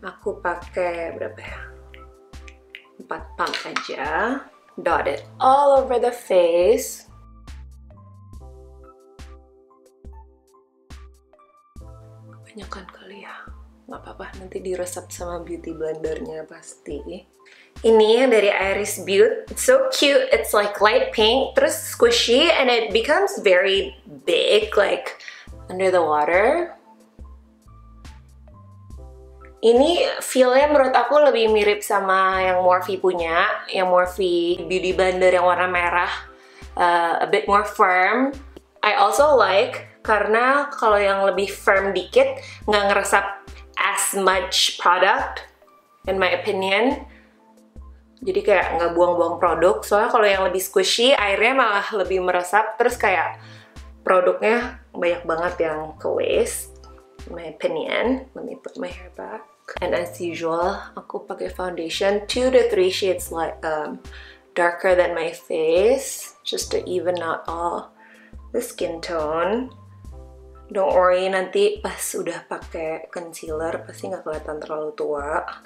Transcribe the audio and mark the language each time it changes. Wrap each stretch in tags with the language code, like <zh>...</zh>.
<id>Aku pakai berapa ya? 4 pump aja.</id> <en>Dot it all over the face.</en> <id>Kebanyakan kali ya. Gak apa-apa, nanti diresap sama beauty blendernya pasti. Ini yang dari Iris Beaut.</id> <en>It's so cute, it's like light pink, terus squishy, and it becomes very big, like under the water.</en> <id>Ini feel-nya menurut aku lebih mirip sama yang Morphe punya, yang Morphe beauty blender yang warna merah, a bit more firm.</id> <en>I also like, karena kalau yang lebih firm dikit, nggak ngeresap as much product, in my opinion.</en> <id>Jadi kayak nggak buang-buang produk. Soalnya kalau yang lebih squishy, airnya malah lebih meresap. Terus kayak produknya banyak banget yang ke waste.</id> <en>My opinion. Let me put my hair back. And as usual, aku pakai foundation 2-3 shades like darker than my face, just to even out all the skin tone.</en> <id>Don't worry, nanti pas udah pakai concealer pasti nggak kelihatan terlalu tua.</id>